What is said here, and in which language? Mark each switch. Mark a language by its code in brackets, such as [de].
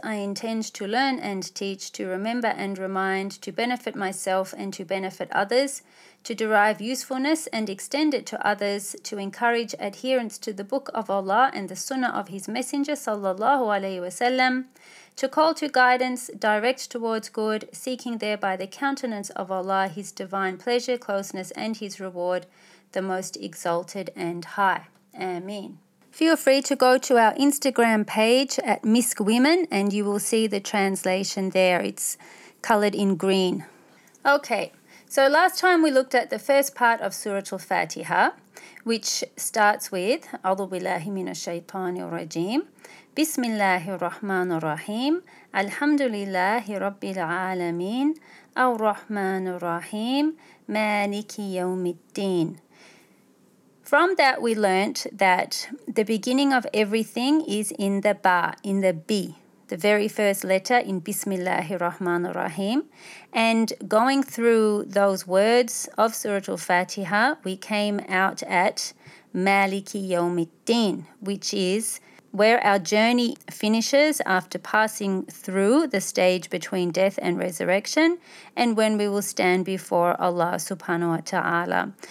[en] I intend to learn and teach, to remember and remind, to benefit myself and to benefit others, to derive usefulness and extend it to others, to encourage adherence to the Book of Allah and the Sunnah of His Messenger, sallallahu alaihi wasallam, to call to guidance, direct towards good, seeking thereby the countenance of Allah, His divine pleasure, closeness, and His reward, the most exalted and high. Amen. Feel free to go to our Instagram page at Misk Women and you will see the translation there. It's coloured in green. Okay, so last time we looked at the first part of Surah Al-Fatiha, which starts with [ar] أعوذ بالله من الشيطان الرجيم بسم الله الرحمن الرحيم الحمد لله رب العالمين الرحمن الرحيم مالك يوم الدين. [en] From that we learnt that the beginning of everything is in the ba, in the b, the very first letter in Bismillahir Rahmanir Rahim. And going through those words of Surah Al-Fatiha, we came out at Maliki Yawmiddin, which is where our journey finishes after passing through the stage between death and resurrection, and when we will stand before Allah subhanahu wa ta'ala.